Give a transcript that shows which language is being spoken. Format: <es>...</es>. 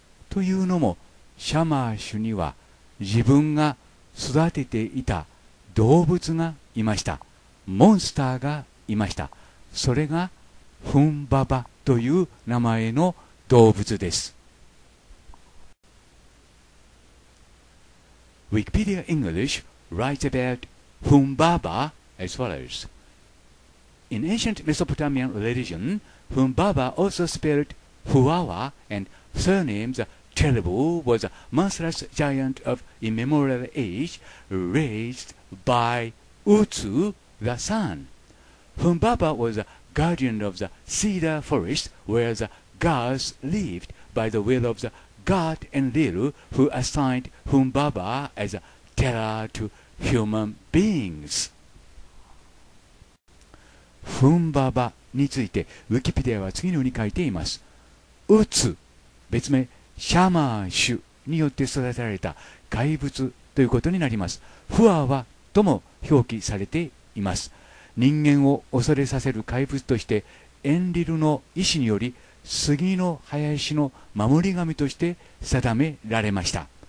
<ja>というのもシャマー氏には自分が育てていた動物がいました。モンスターがいました。それがフンババという名前の動物です。</ja> <en>Wikipedia English writes about フンババ as follows. In ancient Mesopotamian religion, フンババ also spelled フワワ and surnames Telebu was a monstrous giant of immemorial age raised by Utsu, the sun. Humbaba was the guardian of the cedar forest where the gods lived by the will of the god Enlilu, who assigned Humbaba as a terror to human beings.</en> <ja>Humbaba について Wikipedia は次のように書いています。 Utsu 別名シャマー種によって育てられた怪物ということになります。フワワとも表記されています。人間を恐れさせる怪物としてエンリルの意思により杉の林の守り神として定められました。</ja>